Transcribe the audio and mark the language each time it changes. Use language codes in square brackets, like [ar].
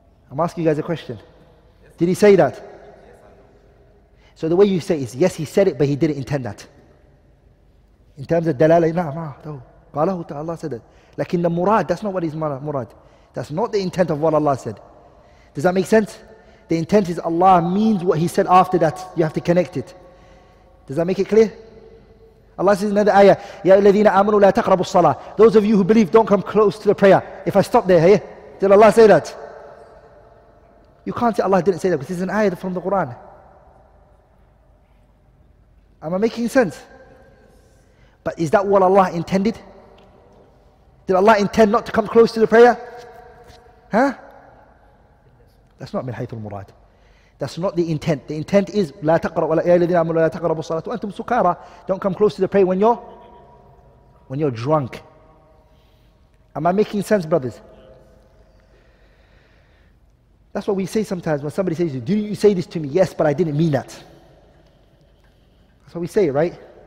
[en] I'm asking you guys a question. Did He say that? So the way you say it is, yes, He said it, but He didn't intend that. In terms of dalala, Allah said it. Like in the murad, that's not what is murad. That's not the intent of what Allah said. Does that make sense? The intent is Allah means what He said after that. You have to connect it. Does that make it clear? Allah says in another ayah, [ar] يَا الَّذِينَ آمَنُوا لَا تَقْرَبُوا الصَّلَاةِ. [en] Those of you who believe, don't come close to the prayer. If I stop there, hey, did Allah say that? You can't say Allah didn't say that because it's an ayah from the Quran. Am I making sense? But is that what Allah intended? Did Allah intend not to come close to the prayer? Huh? That's not min haythul murad. That's not the intent. The intent is [ar] لا تقرأ ولا يا الذين آمنوا لا تقربوا الصلاة وأنتم سكارى. [en] Don't come close to the prayer when you're drunk. Am I making sense, brothers? That's what we say sometimes when somebody says, "Did you say this to me?" Yes, but I didn't mean that. That's what we say, right?